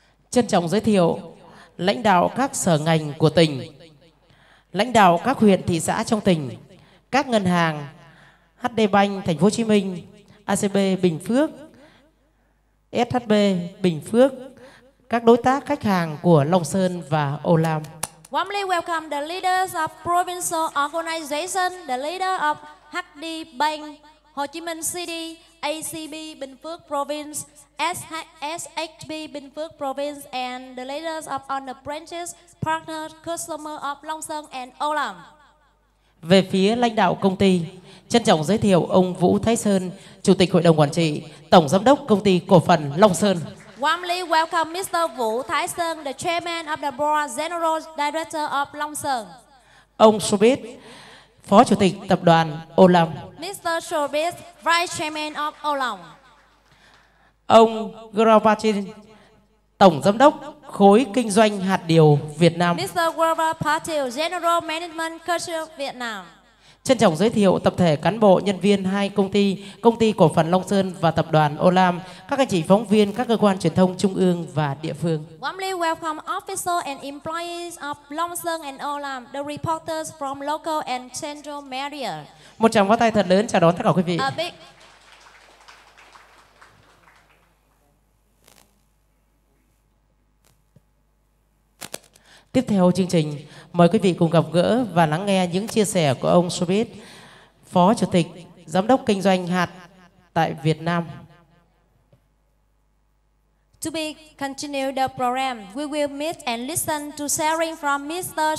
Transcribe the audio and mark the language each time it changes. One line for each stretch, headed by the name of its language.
Vietnamese: Trân trọng giới thiệu lãnh đạo các sở ngành của tỉnh, lãnh đạo các huyện thị xã trong tỉnh, các ngân hàng HD Bank Thành phố Hồ Chí Minh, ACB Bình Phước, SHB Bình Phước, các đối tác khách hàng của Long Sơn và Ô Lam.
English: Warmly welcome the leaders of provincial organization, the leader of HD Bank Hồ Chí Minh City, ACB Bình Phước Province, SHB Bình Phước Province and the leaders of on the branches, partners, customer of Long Sơn and Ô Lam.
Vietnamese: Về phía lãnh đạo công ty, trân trọng giới thiệu ông Vũ Thái Sơn, Chủ tịch Hội đồng Quản trị, Tổng Giám đốc Công ty Cổ phần Long Sơn.
English: Warmly welcome Mr. Vũ Thái Sơn, the Chairman of the Board, General Director of Long Sơn.
Vietnamese: Ông Sobit, Phó Chủ tịch Tập đoàn Ô Lam.
English: Mr. Sobit, Vice Chairman of Ô Lam.
Vietnamese: Ông Gravatin, Tổng Giám đốc Khối Kinh doanh Hạt điều Việt Nam.
English: Mr. Gravatin Patil, General Management Culture Việt Nam.
Vietnamese: Trân trọng giới thiệu tập thể cán bộ, nhân viên hai công ty cổ phần Long Sơn và tập đoàn Ô Lam, các anh chị phóng viên, các cơ quan truyền thông trung ương và địa phương.
English: Warmly welcome officers and employees of Long Sơn and Ô Lam, the reporters from local and central media.
Vietnamese: Một tràng pháo tay thật lớn chào đón tất cả quý vị. Tiếp theo chương trình, mời quý vị cùng gặp gỡ và lắng nghe những chia sẻ của ông Sobit, Phó Chủ tịch Giám đốc Kinh doanh Hạt tại Việt Nam.
English: To be continue the program, we will meet and listen to sharing from Mr.